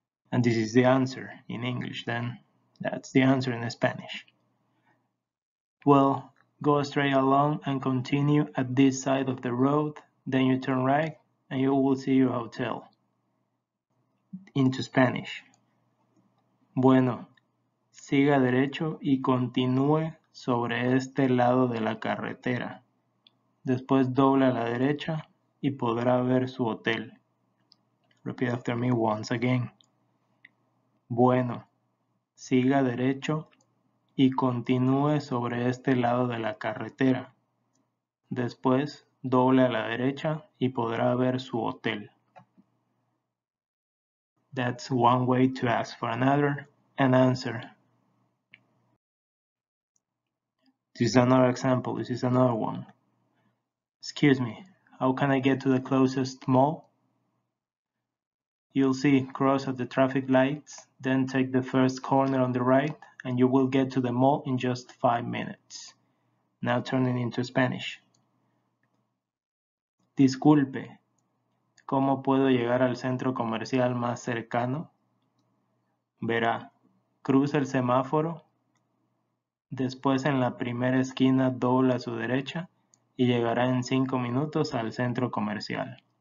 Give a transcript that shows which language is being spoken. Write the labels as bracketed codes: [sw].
[en] And this is the answer in English then. That's the answer in Spanish. Well, go straight along and continue at this side of the road. Then you turn right and you will see your hotel. Into Spanish. [es] Bueno, siga derecho y continúe sobre este lado de la carretera. Después dobla a la derecha y podrá ver su hotel. [en] Repeat after me once again. [es] Bueno, siga derecho y continúe sobre este lado de la carretera. Después dobla a la derecha y podrá ver su hotel. [en] That's one way to ask for another. An answer. This is another example. This is another one. Excuse me, how can I get to the closest mall? You'll see cross at the traffic lights, then take the first corner on the right, and you will get to the mall in just 5 minutes. Now turn it into Spanish. [es] Disculpe, ¿cómo puedo llegar al centro comercial más cercano? Verá. Cruza el semáforo, después en la primera esquina dobla a su derecha y llegará en 5 minutos al centro comercial.